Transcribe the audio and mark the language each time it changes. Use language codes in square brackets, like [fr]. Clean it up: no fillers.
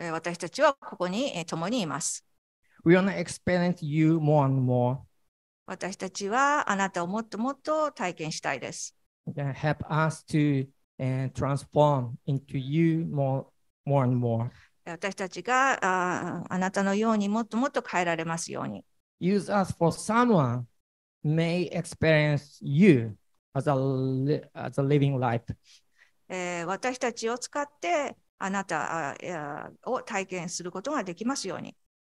[ja] 私たちはここに共にいます。 [en] We want to experience you more and more. [ja] 私たちはあなたをもっともっと体験したいです。 [en] Help us to transform into you more and more. [ja] 私たちがあなたのようにもっともっと変えられますように。 [en] Use us for someone may experience you as a living life. [ja] 私たちを使ってあなたを体験することができますように。